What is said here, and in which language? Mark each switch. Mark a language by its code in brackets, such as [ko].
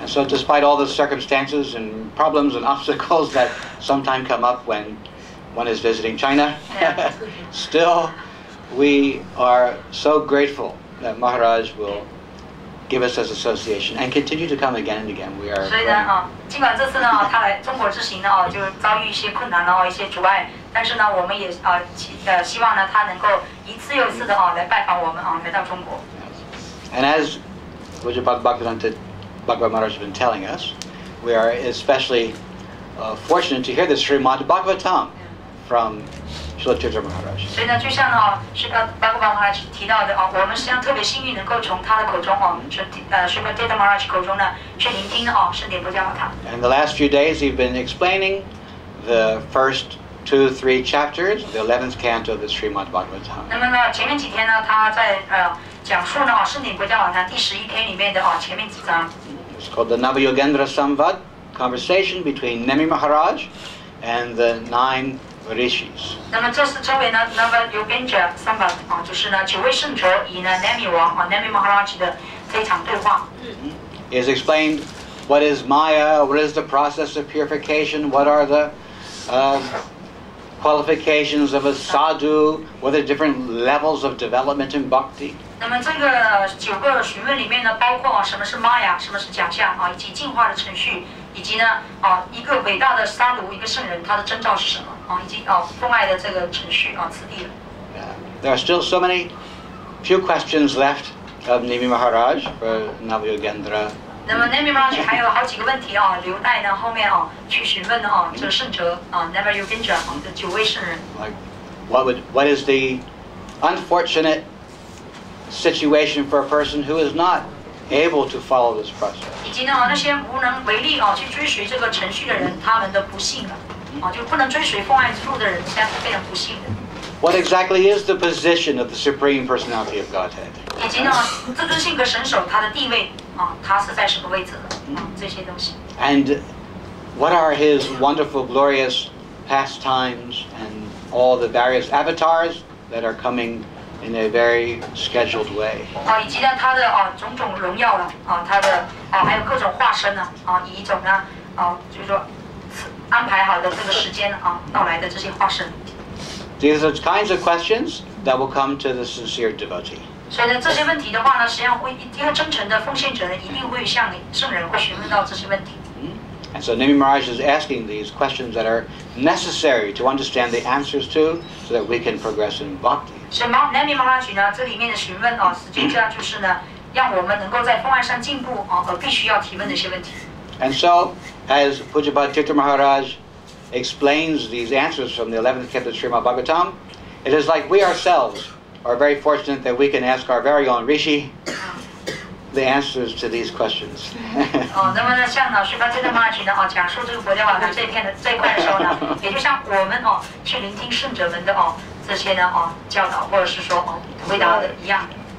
[en] And so, despite all the circumstances and problems and obstacles that sometimes come up when one is visiting China, still, we are so grateful that Maharaj will. Give us his association and continue to come again and again. We are. [zh] 所以呢，尽管这次呢，他来中国之行呢，就遭遇一些困难一些阻碍，但是呢，我们也希望呢，他能够一次又一次的来拜访我们来到中国。 [en] And as Vajrapad Bhaktivedanta Bhagavan Maharaj has been telling us, we are especially fortunate to hear the Srimad Bhagavatam from. [zh] 所以呢，就像是巴古巴马拉奇提到的我们实际上特别幸运能够从他的口中是巴迪达马拉奇口中呢去聆听圣典博伽瓦譚。 [en] And the last few days, he's been explaining the first two, three chapters, the 11th canto of the Srimad Bhagavatam. [zh] 那么呢，前面几天呢，他在讲述呢圣典博伽瓦譚第十一篇里面的前面几章。 [en] It's called the Navayogendra Samvad, conversation between Nemi Maharaj and the nine. Rishis. [zh] 那么这是称为呢 Navayogendra Samvad 就是呢九位圣哲与呢 Nemi 王Nemi Maharaj 的这场对话。 [en] Is explained what is Maya, what is the process of purification, what are the qualifications of a sadhu, what are the different levels of development in bhakti. [zh] 那么这个九个询问里面呢，包括什么是 Maya, 什么是假象以及进化的程序，以及呢一个伟大的 sadhu, 一个圣人，他的征兆是什么？ [en] There are still so many few questions left of Nemi Maharaj for Navayogendra. [zh] 那么 Nemi Maharaj 还有好几个问题留待呢后面去询问这圣哲Navayogendra 的九位圣人。 [en] Like what is the unfortunate situation for a person who is not able to follow this process? [zh] 以及呢，那些无能为力啊，去追随这个程序的人，他们的不幸啊，啊，就不能追随奉爱之路的人，现在是非常不幸的。 [en] What exactly is the position of the Supreme Personality of Godhead? [zh] 以及呢，这尊性格神首他的地位啊，他是在什么位置的啊？这些东西。 [en] And what are his wonderful, glorious pastimes and all the various avatars that are coming in a very scheduled way? [zh] 啊，以及呢，他的啊种种荣耀了啊，他的啊还有各种化身呢啊，以一种呢啊，就是说安排好的这个时间啊到来的这些化身。 [en] These are the kinds of questions that will come to the sincere devotee. [zh] 所以呢，这些问题的话呢，实际上会一定真诚的奉献者呢，一定会向圣人会询问到这些问题。 [en] And so Nimi Maharaj is asking these questions that are necessary to understand the answers to, so that we can progress in bhakti. [zh] 所以Nimi Maharaj呢，这里面的询问啊，实际上就是呢，让我们能够在奉爱上进步啊，而必须要提问的一些问题。 [en] And so, as Pujapati Tirtha Maharaj. Explains these answers from the 11th canto of Srimad Bhagavatam. It is like we ourselves are very fortunate that we can ask our very own Rishi the answers to these questions. [zh] Oh, 那么呢，像老师刚才的马举呢，哦，讲述这个《佛教瓦谭》这一篇的这一块的时候呢，也就像我们哦，去聆听圣者们的哦，这些呢哦，教导或者是说哦，回答的一样的。